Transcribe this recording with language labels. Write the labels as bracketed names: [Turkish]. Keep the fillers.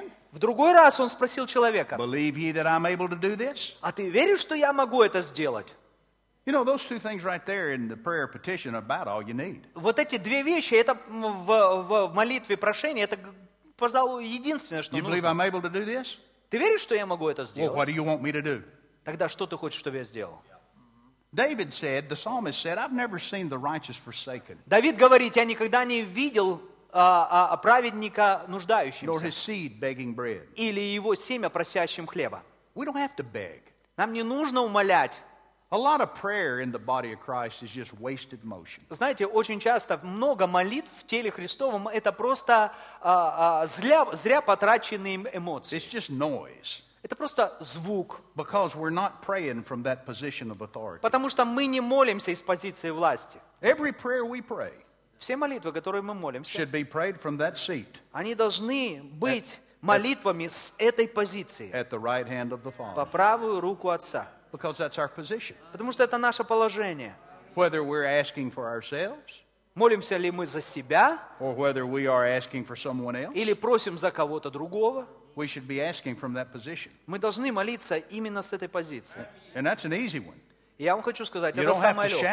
[Russian] в другой раз он спросил человека, а ты веришь, что я могу это сделать? [English] You know, those two things right there in the prayer petition are about all you need. [Russian] Вот эти две вещи, это в, в, в молитве прошения, это, пожалуй, единственное, что [English] you [Russian] нужно. [English] You believe I'm able to do this? [Russian] Ты веришь, что я могу это сделать? [English] Well, what do you want me to do? [Russian] Тогда что ты хочешь, чтобы я сделал? [English] David said, the psalmist said, I've never seen the righteous forsaken. [Russian] Давид говорит, я никогда не видел а, а, праведника нуждающимся. [English] Nor his seed begging bread. [Russian] Или его семя просящим хлеба. [English] We don't have to beg. [Russian] Нам не нужно умолять. [English] A lot of prayer in the body of Christ is just wasted motion. [Russian] Знаете, очень часто много молитв в теле Христовом это просто зря потраченные эмоции. [English] It's just noise. [Russian] Это просто звук. [English] Because we're not praying from that position of authority. [Russian] Потому что мы не молимся из позиции власти. [English] Every prayer we pray. [Russian] Все молитвы, которые мы молимся. [English] Should be prayed from that seat. [Russian] Они должны быть молитвами с этой позиции. [English] At the right hand of the Father. [Russian] По правую руку Отца. [English] Because that's our position. [Russian] Потому что это наше положение. [English] Whether we're asking for ourselves, [Russian] молимся ли мы за себя, [English] or whether we are asking for someone else, [Russian] или просим за кого-то другого, [English] we should be asking from that position. [Russian] мы должны молиться именно с этой позиции. [English] And that's an easy one. [Russian] И я вам хочу сказать, [English] you [Russian] это самое легкое.